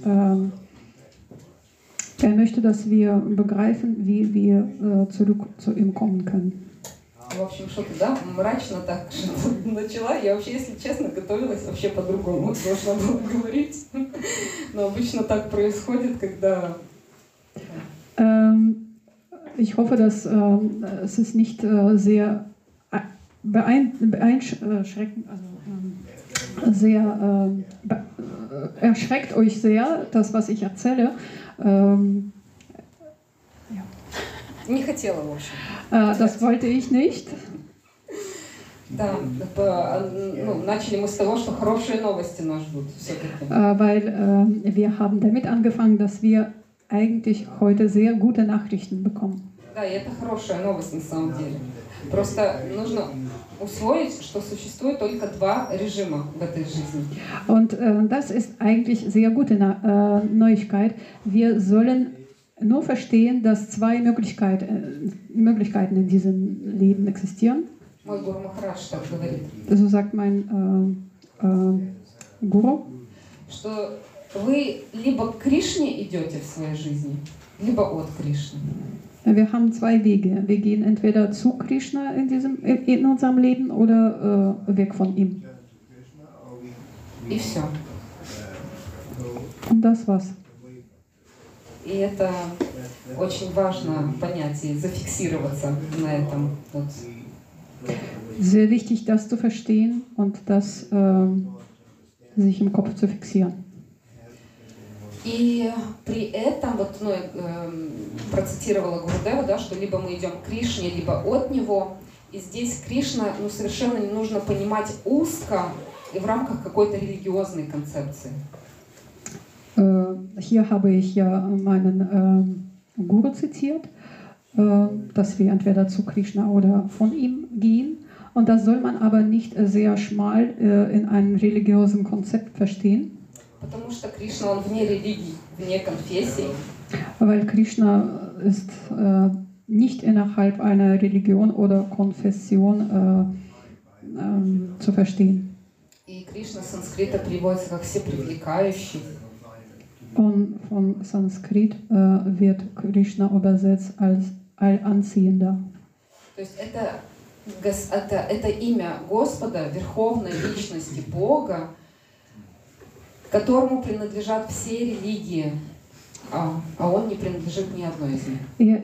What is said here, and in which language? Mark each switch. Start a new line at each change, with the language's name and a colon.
German: Er möchte, dass wir begreifen, wie wir zurück zu ihm kommen können.
Russian: В общем, что-то, да, мрачно так начала. Я вообще, если честно, готовилась вообще по-другому, должна была говорить. Но обычно так происходит, когда...
German: Ich hoffe, dass es ist nicht sehr beeinschränkend, also sehr erschreckt euch sehr, das, was ich erzähle.
Russian: Не хотела, в общем.
German: Das wollte ich nicht.
Russian: Да, ну, начали мы с того, что хорошие новости нас ждут.
German: Weil wir haben damit angefangen, dass wir eigentlich heute sehr gute Nachrichten bekommen.
Russian: Да, и это хорошая новость на самом деле. Просто нужно усвоить, что существует только два режима в этой жизни.
German: Und das ist eigentlich sehr gute Neuigkeit. Wir sollen nur verstehen, dass zwei Möglichkeiten in diesem Leben existieren. So sagt mein Guru.
Russian: Что вы либо к Кришне идете в своей жизни, либо от Кришны.
German: Wir haben zwei Wege. Wir gehen entweder zu Krishna in unserem Leben oder weg von ihm.
Russian: И все.
German: Und das war's.
Russian: И это очень важно понять и зафиксироваться на этом. Вот.
German: Sehr wichtig, das zu verstehen und das sich im Kopf zu fixieren.
Russian: И при этом, вот, ну, процитировала Гурудева, да, что либо мы идем к Кришне, либо от него. И здесь Кришна ну, совершенно не нужно понимать узко и в рамках какой-то религиозной концепции.
German: Hier habe ich ja meinen Guru zitiert, dass wir entweder zu Krishna oder von ihm gehen. Und das soll man aber nicht sehr schmal in einem religiösen Konzept verstehen.
Russian: Потому что Кришна, он вне религии, вне конфессии.
German: Weil Krishna ist nicht innerhalb einer Religion oder Konfession zu verstehen.
Russian: И Кришна с санскрита переводится как всепривлекающий.
German: Und von Sanskrit wird Krishna übersetzt als Allanziehender.
Russian: То есть это имя Господа, верховной личности Бога, которому принадлежат все религии, а он не принадлежит ни одной из них.